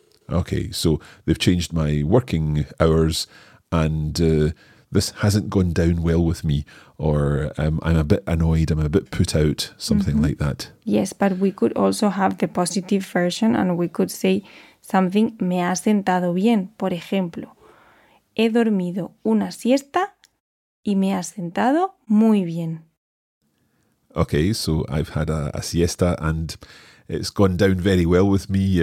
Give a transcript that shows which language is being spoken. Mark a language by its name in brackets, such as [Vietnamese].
[English] Okay, so they've changed my working hours and this hasn't gone down well with me, or I'm a bit annoyed, I'm a bit put out, something mm-hmm. like that. Yes, but we could also have the positive version and we could say something [Spanish] me ha sentado bien. Por ejemplo, he dormido una siesta y me ha sentado muy bien. [English] Okay, so I've had a siesta and it's gone down very well with me.